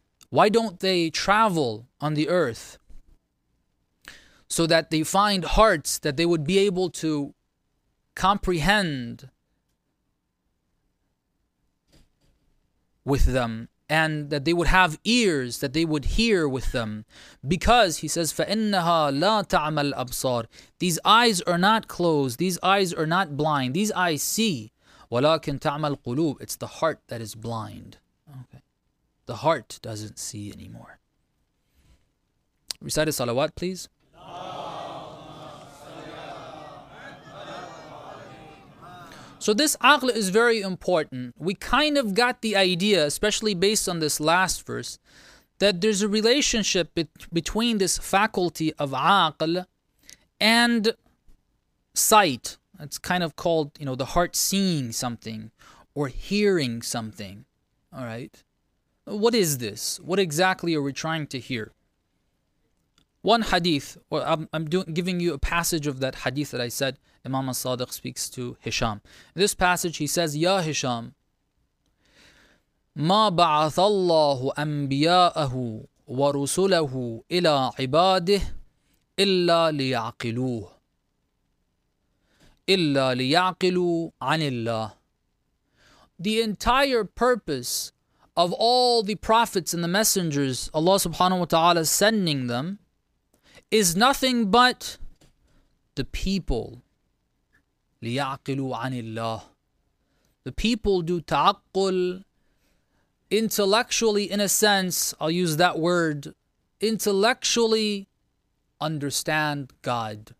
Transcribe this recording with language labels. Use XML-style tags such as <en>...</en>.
<en>Why don't they travel on the earth so that they find hearts that they would be able to comprehend with them and that they would have ears that they would hear with them? Because, he says,</en> <ar>فَإِنَّهَا لَا تَعْمَى الْأَبْصَارِ.</ar> <en>These eyes are not closed. These eyes are not blind. These eyes see.</en> <ar>وَلَكِنْ تَعْمَى الْقُلُوبِ.</ar> <en>It's the heart that is blind. Okay. The heart doesn't see anymore. Recite a salawat, please. So this aql is very important. We kind of got the idea, especially based on this last verse, that there's a relationship between this faculty of aql and sight. It's kind of called, you know, the heart seeing something or hearing something. All right. What is this? What exactly are we trying to hear? One hadith, or I'm giving you a passage of that hadith that I said, Imam al-Sadiq speaks to Hisham. In this passage, he says,</en> <ar>Ya Hisham, ما بعث الله أنبياءه ورسله إلى عباده إلا ليعقلوه إلا ليعقلوا عن الله.</ar> <en>The entire purpose of all the prophets and the messengers, Allah subhanahu wa ta'ala sending them, is nothing but the people.</en> <ar>لِيَعْقِلُوا عَنِ اللَّهِ.</ar> <en>The people do ta'aqqul, intellectually in a sense, I'll use that word, intellectually understand God.</en>